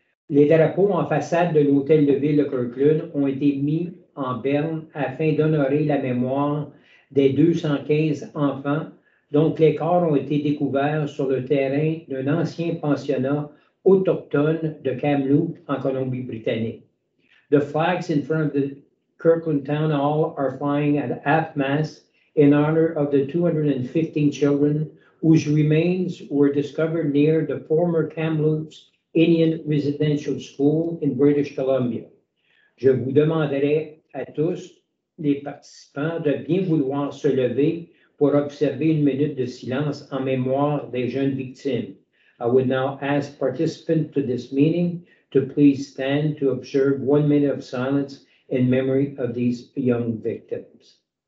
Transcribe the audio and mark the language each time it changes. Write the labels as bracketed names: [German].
[French] Les drapeaux en façade de l'hôtel de ville de Kirkland ont été mis en berne afin d'honorer la mémoire des 215 enfants dont les corps ont été découverts sur le terrain d'un ancien pensionnat autochtone de Kamloops en Colombie-Britannique. [English] The flags in front of the Kirkland Town Hall are flying at half mast in honor of the 215 children whose remains were discovered near the former Kamloops Indian Residential School in British Columbia. [French] Je vous demanderai à tous les participants de bien vouloir se lever pour observer une minute de silence en mémoire des jeunes victimes. [English] I would now ask participants to this meeting to please stand to observe 1 minute of silence in memory of these young victims.